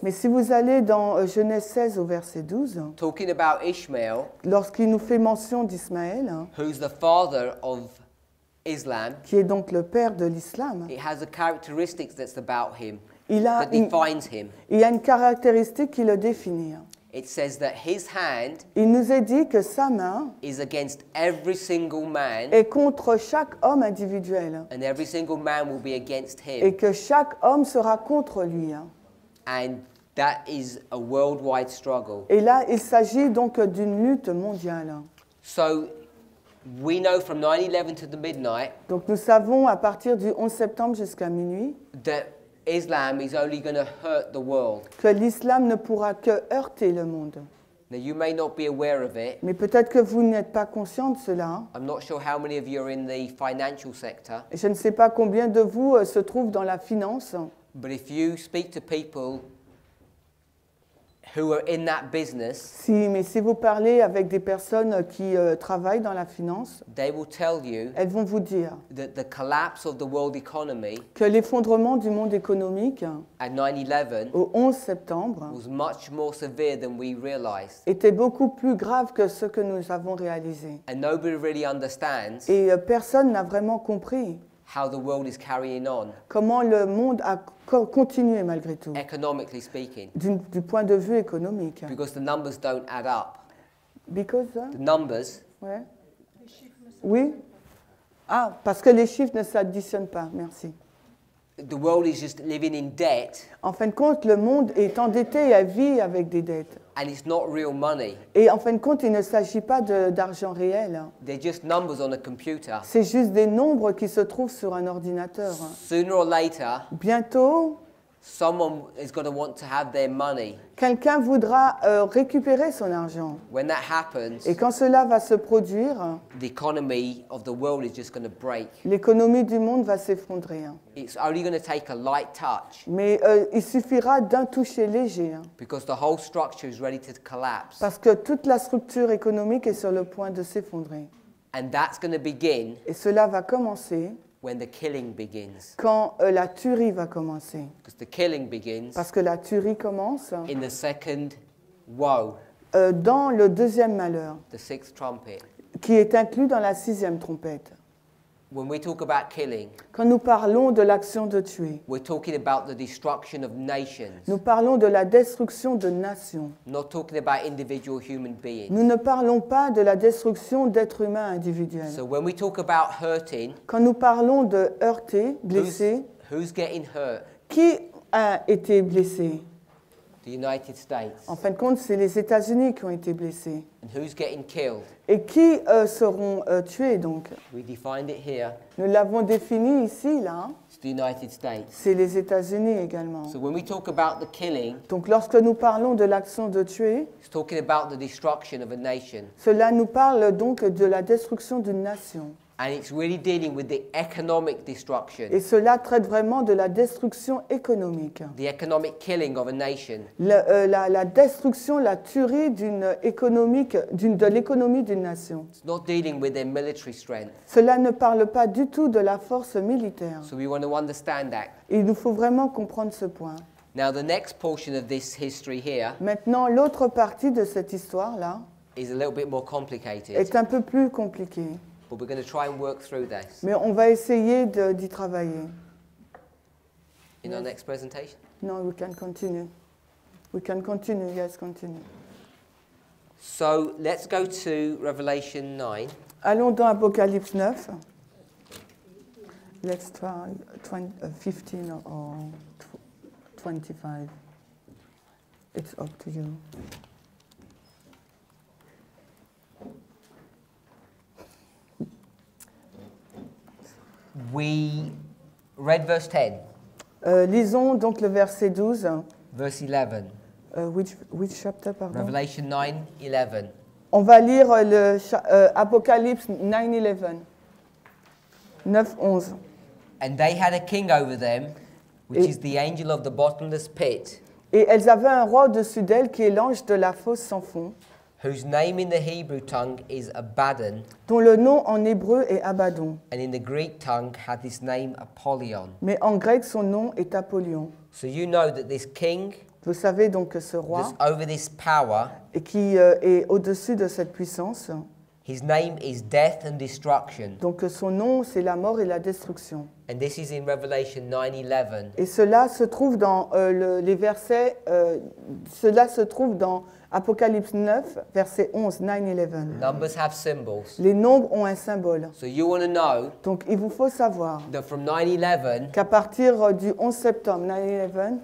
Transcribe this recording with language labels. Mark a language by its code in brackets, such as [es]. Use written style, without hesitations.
[fr] mais si vous allez dans Genèse 16 au verset 12, [en] talking about Ishmael, [fr] lorsqu'il nous fait mention d'Ismaël, [en] who's the father of Islam, [fr] qui est donc le père de l'islam, [en] it has a characteristic that's about him, [fr] il a une caractéristique qui le définit. [en] It says that his hand [fr] il nous est dit que sa main [en] is against every single man [fr] est contre chaque homme individuel [en] and every single man will be against him. [fr] Et que chaque homme sera contre lui. [en] And that is a worldwide struggle. [fr] Et là, il s'agit donc d'une lutte mondiale. [en] So, we know from 9/11 to the midnight [fr] donc nous savons à partir du 11 septembre jusqu'à minuit [en] that Islam is only going to hurt the world. [fr] Que l'islam ne pourra que heurter le monde. [en] Now you may not be aware of it. [fr] Mais peut-être que vous n'êtes pas conscient de cela. [en] I'm not sure how many of you are in the financial sector. [fr] Je ne sais pas combien de vous se trouvent dans la finance. [en] But if you speak to people who are in that business. [fr] Si, mais si vous parlez avec des personnes qui travaillent dans la finance. [en] They will tell you. [fr] Elles vont vous dire. [en] That the collapse of the world economy. [fr] Que l'effondrement du monde économique. [en] At 9/11. [fr] Au 11 septembre. [en] Was much more severe than we realized. [fr] Était beaucoup plus grave que ce que nous avons réalisé. [en] And nobody really understands. [fr] Et personne n'a vraiment compris. [en] How the world is carrying on. [fr] Comment le monde a continué malgré tout. [en] Economically speaking. [fr] Du point de vue économique. [en] Because the numbers don't add up. Because the numbers. [fr] Ouais. Oui. Ah, parce que les chiffres ne s'additionnent pas. Merci. [en] The world is just living in debt. [fr] En fin de compte, le monde est endetté et vit avec des dettes. [en] And it's not real money. [fr] Et en fin de compte, il ne s'agit pas d'argent réel. [en] They're just numbers on a computer. [fr] C'est juste des nombres qui se trouvent sur un ordinateur. [en] Sooner or later. [fr] Bientôt. [en] Someone is going to want to have their money. [fr] Quelqu'un voudra récupérer son argent. [en] When that happens, [fr] et quand cela va se produire, [en] the economy of the world is just going to break. [fr] L'économie du monde va s'effondrer. [en] It's only going to take a light touch. [fr] Mais il suffira d'un toucher léger. [en] Because the whole structure is ready to collapse. [fr] Parce que toute la structure économique est sur le point de s'effondrer. [en] And that's going to begin. [fr] Et cela va commencer. [en] When the killing begins. [fr] Quand la tuerie va commencer. [en] Because the killing begins. [fr] Parce que la tuerie commence. [en] In the second woe. [fr] Dans le deuxième malheur. [en] The sixth trumpet. [fr] Qui est inclus dans la sixième trompette. [en] When we talk about killing. [fr] Quand nous parlons de l'action de tuer. [en] We're talking about the destruction of nations. [fr] Nous parlons de la destruction de nations. [en] Not talking about individual human beings. [fr] Nous ne parlons pas de la destruction d'êtres humains individuels. [en] So when we talk about hurting. [fr] Quand nous parlons de heurter, blesser. [en] Who's getting hurt? [fr] Qui a été blessé? [en] The United States. [fr] En fin de compte, c'est les États-Unis qui ont été blessés. [en] And who's getting killed? [fr] Et qui seront tués donc? [en] We defined it here. [fr] Nous l'avons défini ici, là. [en] It's the United States. [fr] C'est les États-Unis également. [en] So when we talk about the killing, [fr] donc lorsque nous parlons de l'action de tuer, [en] it's talking about the destruction of a nation. [fr] Cela nous parle donc de la destruction d'une nation. [en] And it's really dealing with the economic destruction. [fr] Et cela traite vraiment de la destruction économique. [en] The economic killing of a nation. [fr] La destruction, la tuerie de l'économie d'une nation. [en] It's not dealing with their military strength. [fr] Cela ne parle pas du tout de la force militaire. [en] So we want to understand that. [fr] Il nous faut vraiment comprendre ce point. [en] Now the next portion of this history here. [fr] Maintenant l'autre partie de cette histoire là. [en] Is a little bit more complicated. [fr] Est un peu plus compliqué. [en] But we're going to try and work through this. [fr] Mais on va essayer d'y travailler. [en] In our next presentation? No, we can continue. We can continue, yes, continue. So, let's go to Revelation 9. [fr] Allons dans Apocalypse 9. [en] Let's try 15 or 25. It's up to you. We read verse 10. Lisons donc le verset 12. Verse 11. Which chapter, pardon? Revelation 9, 11. [fr] On va lire le Apocalypse 9, 11. 9, 11. [en] And they had a king over them, is the angel of the bottomless pit. [fr] Et elles avaient un roi au-dessus d'elles qui est l'ange de la fosse sans fond. [en] Whose name in the Hebrew tongue is Abaddon. [fr] Dont le nom en hébreu est Abaddon. [en] And in the Greek tongue had his name Apollyon. [fr] Mais en grec son nom est Apollyon. [en] So you know that this king. [fr] Vous savez donc que ce roi. [en] That's over this power. [fr] Et qui est au-dessus de cette puissance. [en] His name is death and destruction. [fr] Donc son nom c'est la mort et la destruction. [en] And this is in Revelation 9:11. [fr] Et cela se trouve dans les versets. Cela se trouve dans Apocalypse 9, verset 11, 9-11. [en] Numbers have symbols. [fr] Les nombres ont un symbole. [en] So you want to know. [fr] Donc il vous faut savoir. [en] That from 9-11. [fr] Qu'à partir du 11 septembre, 9-11.